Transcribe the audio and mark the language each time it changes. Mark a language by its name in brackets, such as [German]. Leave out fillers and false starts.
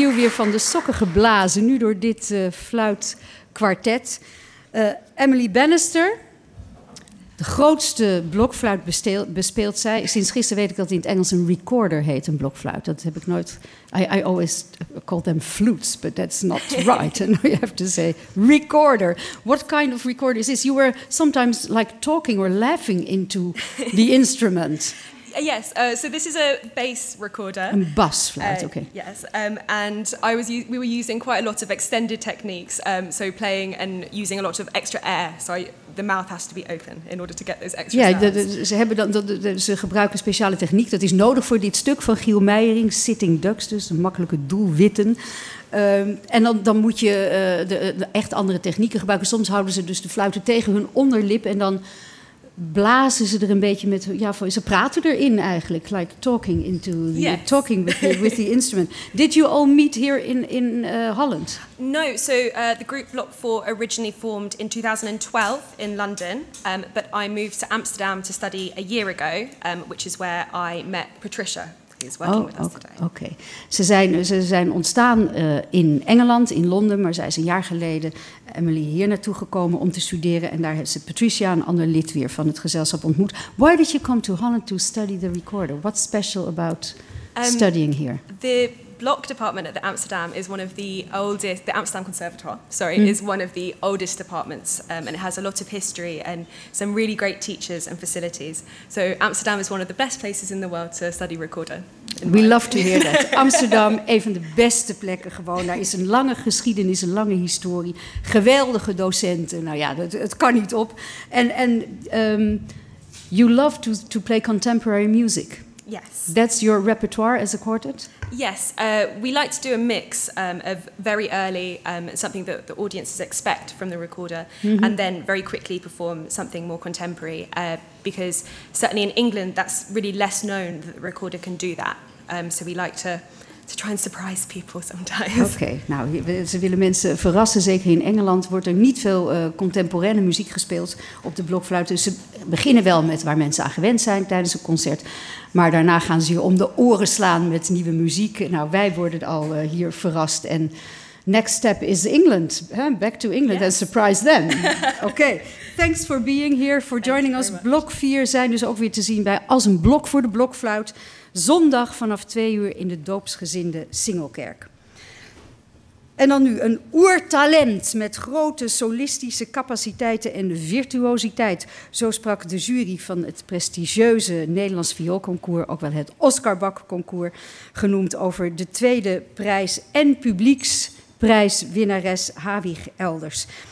[Dutch] van de sokken geblazen, nu door dit fluitkwartet. Emily Bannister, de grootste blokfluit bespeelt zij. Sinds gisteren weet ik dat in het Engels een recorder heet, een blokfluit. Dat heb ik nooit... [English] I always call them flutes, but that's not right. And you have to say recorder. What kind of recorder is this? You were sometimes like talking or laughing into the instrument. Yes, so this is a bass recorder. A bass flute, okay. Yes, and I was we were using quite a lot of extended techniques, so playing and using a lot of extra air. So the mouth has to be open in order to get those extra sounds. [Dutch] Ja, ze gebruiken speciale techniek. Dat is nodig voor dit stuk van Giel Meijering, Sitting Ducks, dus een makkelijke doelwitten. En dan moet je de echt andere technieken gebruiken. Soms houden ze dus de fluiten tegen hun onderlip en dan... blazen ze er een beetje met, ja, ze praten erin eigenlijk, [English] like talking into the, yes. Talking with the instrument. Did you all meet here in Holland? No, so the group Block 4 originally formed in 2012 in London, but I moved to Amsterdam to study a year ago, which is where I met Patricia, who is working with us today. Okay. [Dutch] Ze zijn ontstaan in Engeland, in Londen, maar zij is een jaar geleden Emily hier naartoe gekomen om te studeren. En daar heeft ze Patricia, een ander lid weer van het gezelschap, ontmoet. [English] Why did you come to Holland to study the recorder? What's special about studying here? The Block department at the Amsterdam is one of the oldest, the Amsterdam Conservatoire, mm. is one of the oldest departments. And it has a lot of history and some really great teachers and facilities. So Amsterdam is one of the best places in the world to study recorder. We love to hear that. [Dutch] Amsterdam, een van de beste plekken gewoon. Daar is een lange geschiedenis, een lange historie. Geweldige docenten. Nou ja, het kan niet op. [English] And you love to play contemporary music. Yes. That's your repertoire as a quartet? Yes. We like to do a mix of very early, something that the audiences expect from the recorder, mm-hmm. and then very quickly perform something more contemporary. Because certainly in England, that's really less known that the recorder can do that. So we like to try and surprise people sometimes. [Dutch] Okay. Nou, ze willen mensen verrassen. Zeker in Engeland wordt er niet veel contemporaine muziek gespeeld op de blokfluit. Dus ze beginnen wel met waar mensen aan gewend zijn tijdens een concert. Maar daarna gaan ze je om de oren slaan met nieuwe muziek. Nou, wij worden al hier verrast. [English] En next step is England. Huh? Back to England, yes. And surprise them. Okay. Thanks for being here, for joining us. [Dutch] Blok 4 zijn dus ook weer te zien bij Als een Blok voor de Blokfluit. Zondag vanaf 2:00 in de doopsgezinde Singelkerk. En dan nu een oertalent met grote solistische capaciteiten en virtuositeit. Zo sprak de jury van het prestigieuze Nederlands Vioolconcours, ook wel het Oscar Bak Concours genoemd, over de tweede prijs en publieksprijswinnares Hawieg Elders.